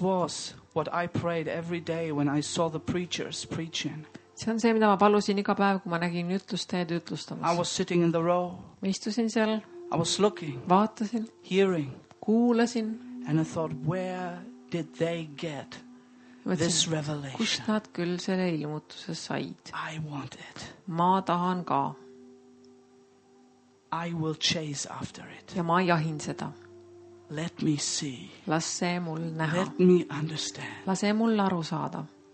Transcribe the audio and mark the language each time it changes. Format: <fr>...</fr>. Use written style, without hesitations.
<en>was what I prayed every day when I saw the preachers preaching.</en> <et>See on see, mida ma palusin iga päev, kui ma nägin jutlusteed jutlustamas.</et> <en>I was sitting in the row.</en> <et>Ma istusin seal.</et> <en>I was looking.</en> <et>Vaatasin.</et> <en>Hearing.</en> <et>Kuulasin.</et> <en>And I thought, where did they get this revelation?</en> <et>Kus nad küll selle ilmutuse said?</et> <en>I want it.</en> <et>Ma tahan ka.</et> <en>I will chase after it.</en> <et>Ja ma jahin seda.</et> <en>Let me see.</en> <et>Lase mul näha.</et> <en>Let me understand.</en> <et>Lase mul aru saada.</et>